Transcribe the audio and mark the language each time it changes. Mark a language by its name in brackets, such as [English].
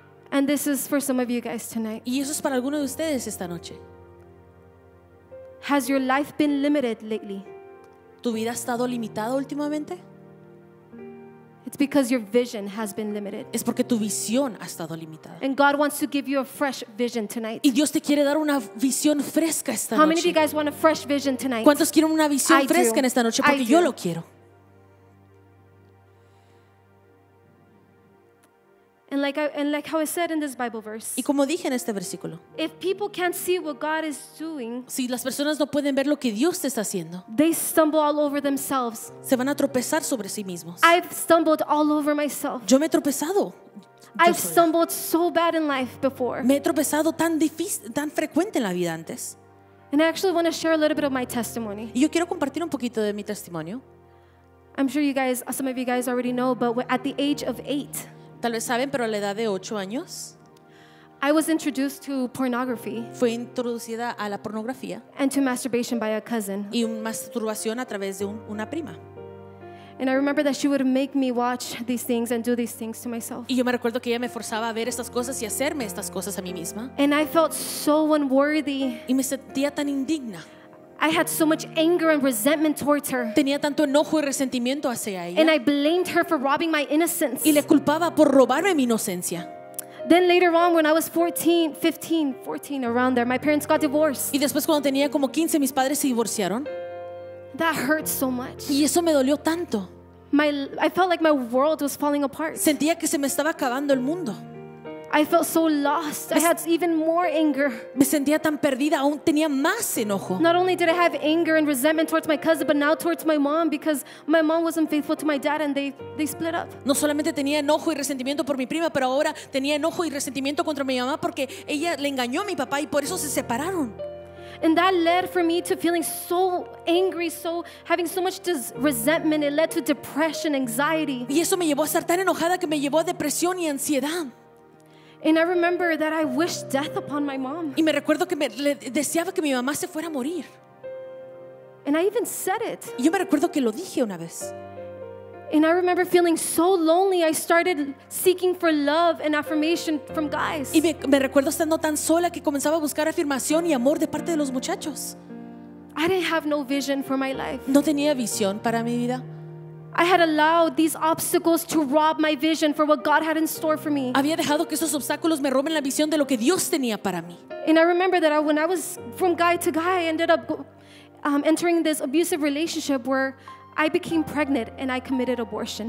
[English] And this is for some of you guys tonight. [Spanish] Y eso es para alguno de ustedes esta noche. [English] Has your life been limited lately? [Spanish] ¿Tu vida ha estado limitada últimamente? [English] It's because your vision has been limited. [Spanish] Es porque tu visión ha estado limitada. [English] And God wants to give you a fresh vision tonight. [Spanish] Y Dios te quiere dar una visión fresca esta noche. [English] How many of you guys want a fresh vision tonight? [Spanish] ¿Cuántos quieren una visión fresca en esta noche? Porque yo lo quiero. [English] And like how it said in this Bible verse. [Spanish] Y como dije en este versículo. [English] If people can't see what God is doing, [Spanish] si las personas no pueden ver lo que Dios está haciendo, [English] they stumble all over themselves. [Spanish] Se van a tropezar sobre sí mismos. [English] I've stumbled all over myself. [Spanish] Yo me he tropezado. [English] I've stumbled so bad in life before. [Spanish] Me he tropezado tan frecuente en la vida antes. [English] And I actually want to share a little bit of my testimony. [Spanish] Y yo quiero compartir un poquito de mi testimonio. [English] I'm sure you guys, some of you guys already know, but at the age of 8. [Spanish] Tal vez saben, pero a la edad de 8 años, [English] I was introduced to pornography. [Spanish] Fui introducida a la pornografía. [English] And to masturbation by a cousin. [Spanish] Y una masturbación a través de una prima. [English] And I remember that she would make me watch these things and do these things to myself. [Spanish] Y yo me recuerdo que ella me forzaba a ver estas cosas y hacerme estas cosas a mí misma. [English] And I felt so unworthy. [Spanish] Y me sentía tan indigna. [English] I had so much anger and resentment towards her. [Spanish] Tenía tanto enojo y resentimiento hacia ella. [English] And I blamed her for robbing my innocence. [Spanish] Y le culpaba por robarme mi inocencia. [English] Then later on, when I was 14, around there, my parents got divorced. [Spanish] Y después cuando tenía como 15, mis padres se divorciaron. [English] That hurt so much. [Spanish] Y eso me dolió tanto. [English] I felt like my world was falling apart. [Spanish] Sentía que se me estaba acabando el mundo. [English] I felt so lost. I had even more anger. [Spanish] Me sentía tan perdida, aún tenía más enojo. [English] Not only did I have anger and resentment towards my cousin, but now towards my mom because my mom wasn't faithful to my dad and they split up. [Spanish] No solamente tenía enojo y resentimiento por mi prima, pero ahora tenía enojo y resentimiento contra mi mamá porque ella le engañó a mi papá y por eso se separaron. [English] And that led for me to feeling so angry, so having so much resentment. It led to depression, anxiety. [Spanish] Y eso me llevó a estar tan enojada que me llevó a depresión y ansiedad. [English] And I remember that I wished death upon my mom. [Spanish] Y me recuerdo que le deseaba que mi mamá se fuera a morir. [English] And I even said it. [Spanish] Y yo me recuerdo que lo dije una vez. [English] And I remember feeling so lonely, I started seeking for love and affirmation from guys. [Spanish] Y me recuerdo estando tan sola que comenzaba a buscar afirmación y amor de parte de los muchachos. [English] I didn't have no vision for my life. [Spanish] No tenía visión para mi vida. [English] I had allowed these obstacles to rob my vision for what God had in store for me. [Spanish] Había dejado que esos obstáculos me roben la visión de lo que Dios tenía para mí. [English] And I remember that when I was from guy to guy, I ended up entering this abusive relationship where I became pregnant and I committed abortion.